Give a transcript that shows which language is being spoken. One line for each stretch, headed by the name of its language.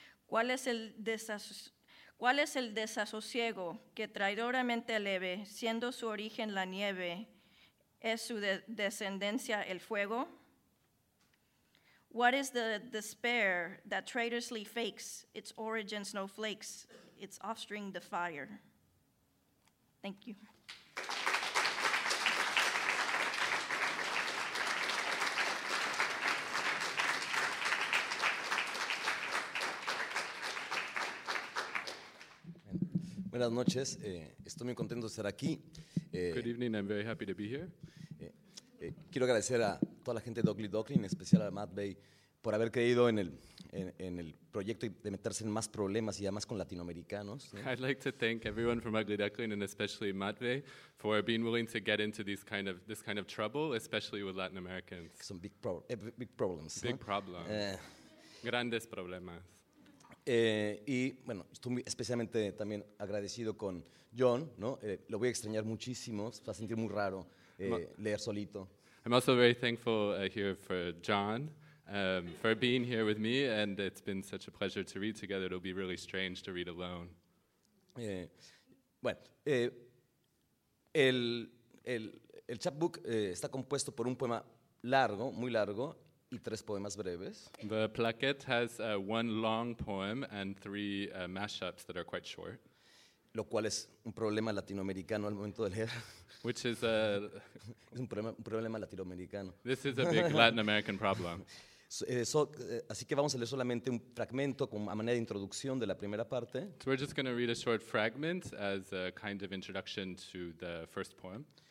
Spanish: ¿Cuál es el desasosiego que traidoramente leve, siendo su origen la nieve, es su descendencia el fuego?
English: What is the despair that traitorously fakes its origins no flakes, its offspring the fire? Thank you.
Spanish: Buenas noches. Estoy muy contento de estar aquí.
English: Good evening. I'm very happy to be here.
Spanish: Quiero agradecer a toda la gente de Ugly Duckling, en especial a Matt Bay, por haber creído en el proyecto de meterse en más problemas y además con latinoamericanos.
English: I'd like to thank everyone from Ugly Duckling and especially Matt Bay for being willing to get into this kind of trouble, especially with Latin Americans.
Spanish: Son
English: big problems. Big problems.
Spanish: Grandes problemas. Y bueno, estoy muy especialmente también agradecido con John, ¿no? Lo voy a extrañar muchísimo, se va a sentir muy raro leer solito.
English: I'm also very thankful here for John for being here with me, and it's been such a pleasure to read together. It'll be really strange to read alone.
Spanish: El chapbook está compuesto por un poema largo, muy largo. Y tres poemas breves.
English: The plaquette has one long poem and three mashups that are quite short.
Spanish: Lo cual es un problema latinoamericano al momento de leer.
English: Which is a
Spanish: es un problema latinoamericano.
English: This is a big Latin American problem.
Spanish: Así que vamos a leer solamente un fragmento como a manera de introducción de la primera parte.
English: So we're just going to read a short fragment as a kind of introduction to the first poem.